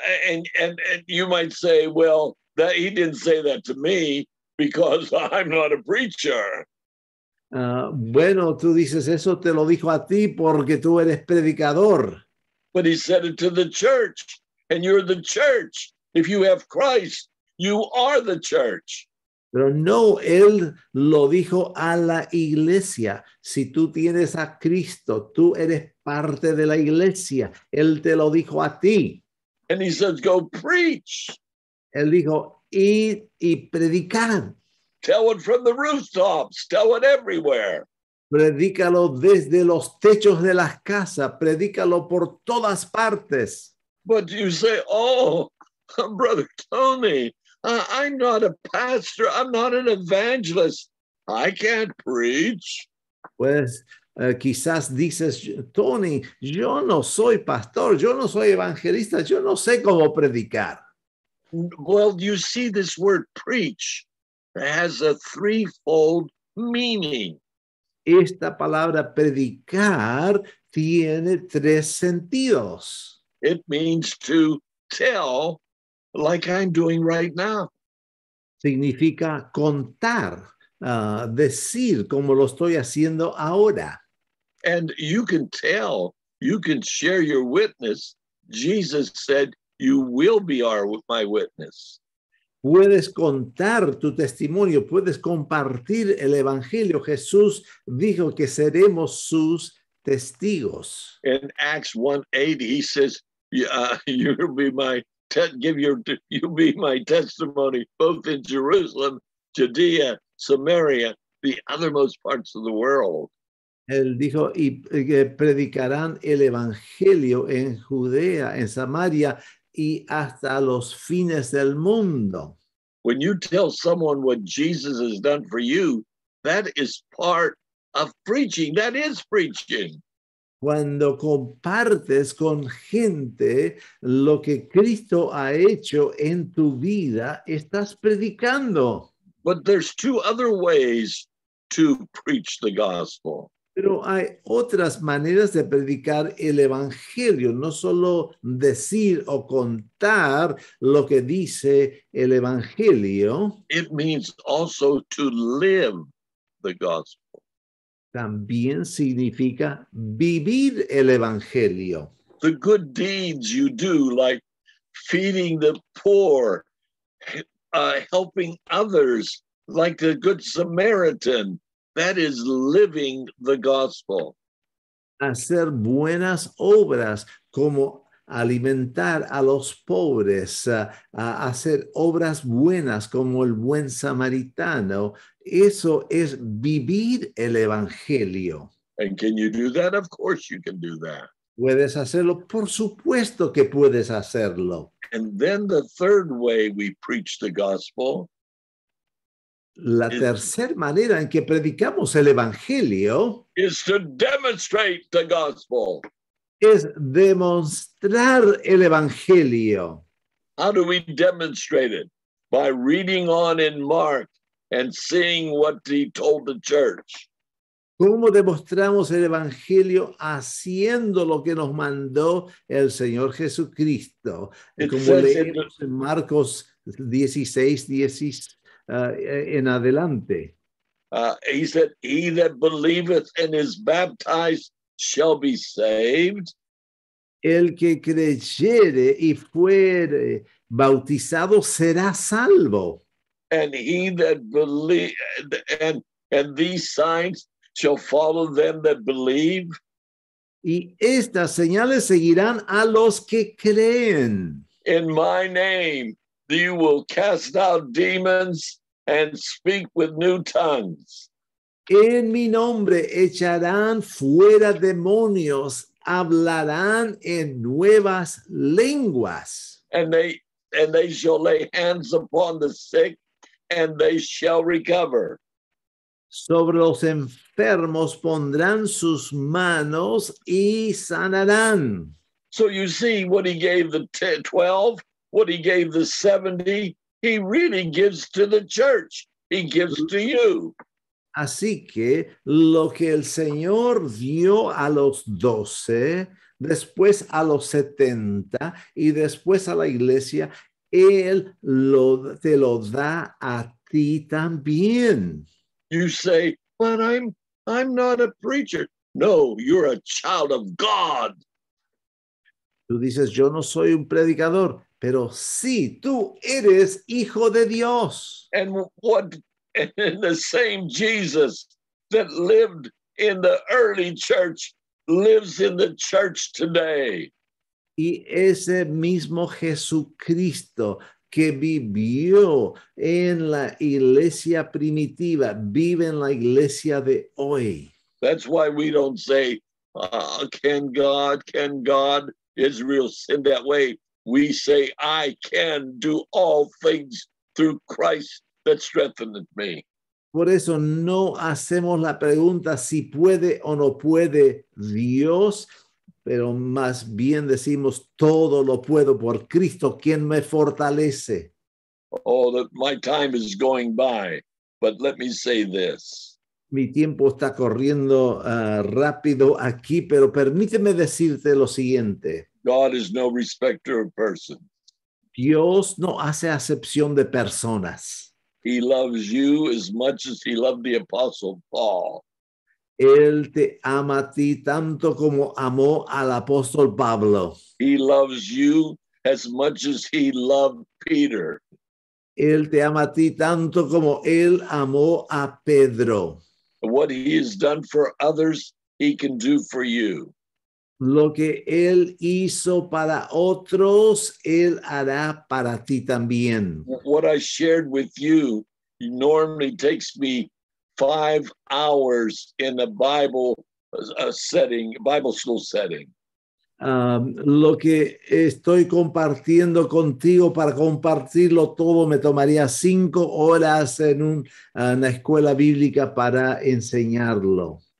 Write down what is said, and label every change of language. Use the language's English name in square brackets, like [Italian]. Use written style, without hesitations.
[English] And you might say, well, that he didn't say that to me because I'm not a preacher. [Spanish] Bueno, tú dices eso, te lo dijo a ti porque tú eres predicador. [English] But he said it to the church, and you're the church. If you have Christ, you are the church. [Spanish] Pero no, él lo dijo a la iglesia. Si tú tienes a Cristo, tú eres parte de la iglesia. Él te lo dijo a ti. [English] And he says, go preach. [Spanish] Él dijo, id y predicad. [English] Tell it from the rooftops. Tell it everywhere. [Spanish] Predícalo desde los techos de las casas. Predícalo por todas partes. [English] But you say, oh, Brother Tony, I'm not a pastor. I'm not an evangelist. I can't preach. [Spanish] Pues quizás dices, Tony, yo no soy pastor. Yo no soy evangelista. Yo no sé cómo predicar. [English] Well, you see this word preach. It has a threefold meaning. [Spanish] Esta palabra predicar tiene tres sentidos. [English] It means to tell, like I'm doing right now. [Spanish] Significa contar, decir como lo estoy haciendo ahora. [English] And you can tell, you can share your witness. Jesus said, you will be my witness. [Spanish] Puedes contar tu testimonio, puedes compartir el evangelio. Jesús dijo que seremos sus testigos. [English] In Acts 1:8, he says, you'll be my testimony both in Jerusalem, Judea, Samaria, the othermost parts of the world. [Spanish] Él dijo, y predicarán el evangelio en Judea, en Samaria, y hasta los fines del mundo. [English] When you tell someone what Jesus has done for you, that is part of preaching. That is preaching. [Spanish] Cuando compartes con gente lo que Cristo ha hecho en tu vida, estás predicando. [English] But there's two other ways to preach the gospel. [Spanish] Pero hay otras maneras de predicar el evangelio, no solo decir o contar lo que dice el evangelio. [English] It means also to live the gospel. [Spanish] También significa vivir el evangelio. [English] The good deeds you do, like feeding the poor, helping others, like the good Samaritan. That is living the gospel. [Spanish] Hacer buenas obras como alimentar a los pobres, hacer obras buenas como el buen samaritano, eso es vivir el evangelio. [English] And can you do that? Of course you can do that. [Spanish] Puedes hacerlo, por supuesto que puedes hacerlo. [English] And then the third way we preach the gospel. [Spanish] La tercera manera en que predicamos el Evangelio [English] is to demonstrate the gospel. [Spanish] Es demostrar el Evangelio. [English] How do we demonstrate it? By reading on in Mark and seeing what he told the church. [Spanish] ¿Cómo demostramos el Evangelio? Haciendo lo que nos mandó el Señor Jesucristo. Como leemos en Marcos 16, 16 en adelante. [English] He said, he that believeth and is baptized shall be saved. [Spanish] El que creyere y fuere bautizado será salvo. [English] And he that believe, and these signs shall follow them that believe. [Spanish] Y estas señales seguirán a los que creen. [English] In my name, you will cast out demons and speak with new tongues. [Spanish] En mi nombre echarán fuera demonios, hablarán en nuevas lenguas. [English] And they shall lay hands upon the sick, and they shall recover. [Spanish] Sobre los enfermos pondrán sus manos y sanarán. [English] So you see what he gave the 12, what he gave the 70, he really gives to the church. He gives to you. [Spanish] Así que lo que el Señor dio a los 12, después a los 70 y después a la iglesia, él te lo da a ti también. [English] You say, but I'm not a preacher. No, you're a child of God. [Spanish] Tú dices, yo no soy un predicador, pero sí, tú eres hijo de Dios. [English] And the same Jesus that lived in the early church lives in the church today. [Spanish] Y ese mismo Jesucristo que vivió en la iglesia primitiva, vive en la iglesia de hoy. [English] That's why we don't say, can God Israel sin that way? We say, I can do all things through Christ that strengthened me. [Spanish] Por eso no hacemos la pregunta si puede o no puede Dios, pero más bien decimos, todo lo puedo por Cristo, quien me fortalece. [English] Oh, my time is going by, but let me say this. [Spanish] Mi tiempo está corriendo rápido aquí, pero permíteme decirte lo siguiente. [English] God is no respecter of persons. [Spanish] Dios no hace acepción de personas. [English] He loves you as much as he loved the apostle Paul. [Spanish] Él te ama a ti tanto como amó al apóstol Pablo. [English] He loves you as much as he loved Peter. [Spanish] Él te ama a ti tanto como él amó a Pedro. [English] What he has done for others, he can do for you. [Spanish] Lo que él hizo para otros, él hará para ti también. [English] What I shared with you normally takes me 5 hours in a Bible school setting. [Spanish] Lo que estoy compartiendo contigo para compartirlo todo me tomaría 5 horas en una escuela bíblica para enseñarlo.